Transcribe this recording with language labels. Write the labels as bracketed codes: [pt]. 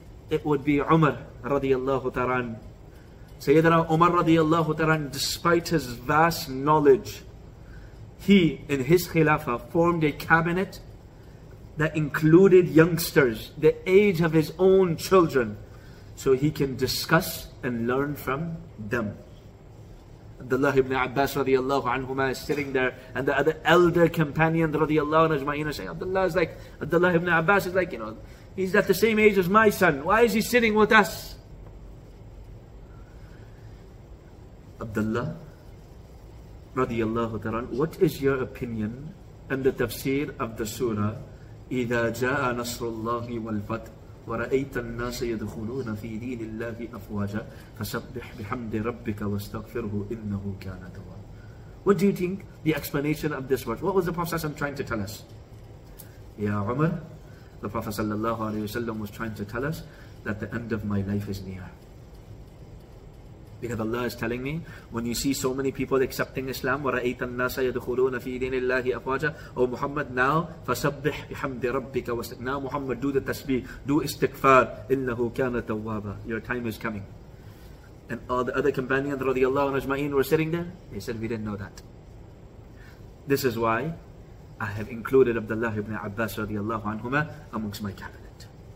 [en] It would be Umar radiallahu ta'ran. Sayyidina Umar radiallahu ta'ran, despite his vast knowledge, he, in his khilafah, formed a cabinet that included youngsters, the age of his own children, so he can discuss and learn from them. Abdullah ibn Abbas radiallahu anhumah is sitting there, and the other elder companion radiallahu anhumah is saying, Abdullah ibn Abbas is like, you know, he's at the same age as my son. Why is he sitting with us? Abdullah radiallahu ta'ala, what is your opinion and the tafsir of the surah, [ar] إِذَا جَاءَ نَصْرُ اللَّهِ وَالْفَتْحِ وَرَأَيْتَ النَّاسَ يَدْخُلُونَ فِي دِينِ اللَّهِ أَفْوَاجًا فَسَبِّحْ بِحَمْدِ رَبِّكَ وَاسْتَغْفِرْهُ إِنَّهُ كَانَ تَوَّابًا. [en] What do you think the explanation of this verse? What was the Prophet ﷺ trying to tell us? Ya Umar, the Prophet ﷺ was trying to tell us that the end of my life is near. Because Allah is telling me, when you see so many people accepting Islam, [ar] وَرَأَيْتَ النَّاسَ يَدْخُلُونَ فِي دِينِ اللَّهِ أَفْوَاجًا. [en] Oh Muhammad, now, [ar] فَسَبِّحْ بِحَمْدِ رَبِّكَ وَاسْتَغْفِرْهُ. [en] Now Muhammad, do the tasbih, do istighfar, [ar] إِنَّهُ كَانَ تَوَّابًا. [en] Your time is coming. And all the other companions, radiallahu anhu ajma'in, were sitting there. They said, we didn't know that. This is why I have included Abdullah ibn Abbas radiallahu anhumah amongst my cabinet.